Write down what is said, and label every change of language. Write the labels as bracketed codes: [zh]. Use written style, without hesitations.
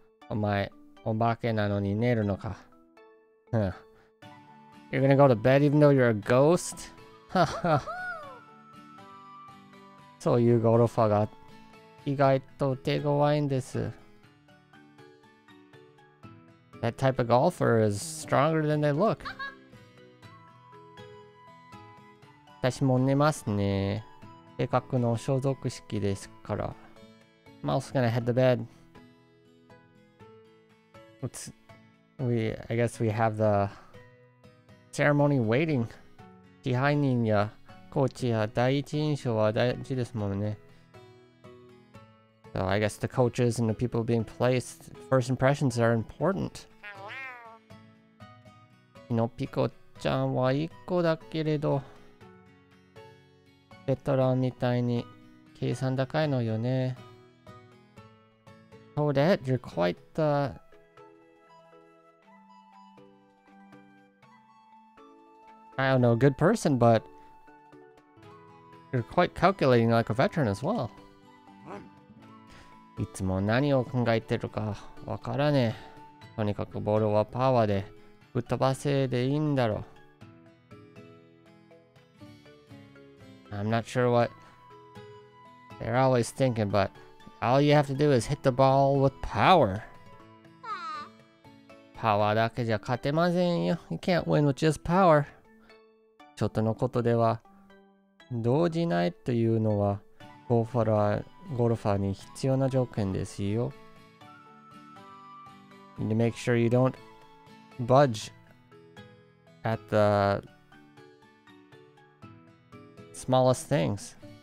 [ja] お前、お化けなのに寝るのか。 [en] Huh. You're gonna go to bed even though you're a ghost? [ja] そういうゴルファーが意外と手強いんです。 [en] That type of golfer is stronger than they look. [ja] 私も寝ますね。せっかくの所属式ですから。 [en] I'm also gonna head to bed. I guess we have the ceremony waiting. [ja] 支配人やコーチや第一印象は大事ですもんね。 [en] So I guess the coaches and the people being placed, first impressions are important. [ja] のピコちゃんは一個だけれど、ベトランみたいに計算高いのよね。 [en] So that you're quite the... I don't know, good person, but... You're quite calculating like a veteran as well. [ja] いつも何を考えてるかわからねえ。とにかくボールはパワーで吹っ飛ばせでいいんだろう。 [en] I'm not sure what they're always thinking, but all you have to do is hit the ball with power. [ja] パワーだけじゃ勝てませんよ。 [en] You can't win with just power. [ja] ちょっとのことでは動じないというのはゴルファーに必要な条件ですよ。 [en] You need to make sure you don't budge at the smallest things.